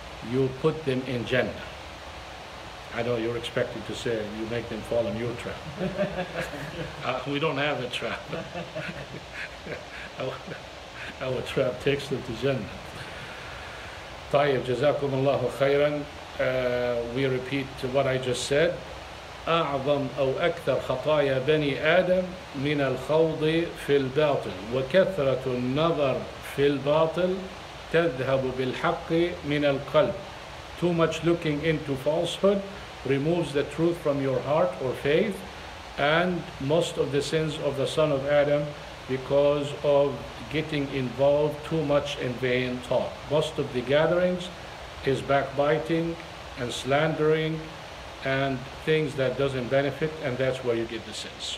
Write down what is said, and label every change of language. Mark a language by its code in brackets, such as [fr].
[en] You put them in Jannah. I know you're expecting to say you make them fall in your trap. We don't have a trap. Our trap takes them to Jannah. [ar] Tayyib, Jazakum Allahu Khayran. [en] We repeat what I just said. [ar] أعظم أو أكثر خطايا بني آدم من الخوض في الباطل وكثرة النظر في الباطل تذهب بالحق من القلب. [en] Too much looking into falsehood removes the truth from your heart or faith, and most of the sins of the son of Adam because of getting involved too much in vain talk. Most of the gatherings is backbiting and slandering and things that doesn't benefit, and that's where you get the sins.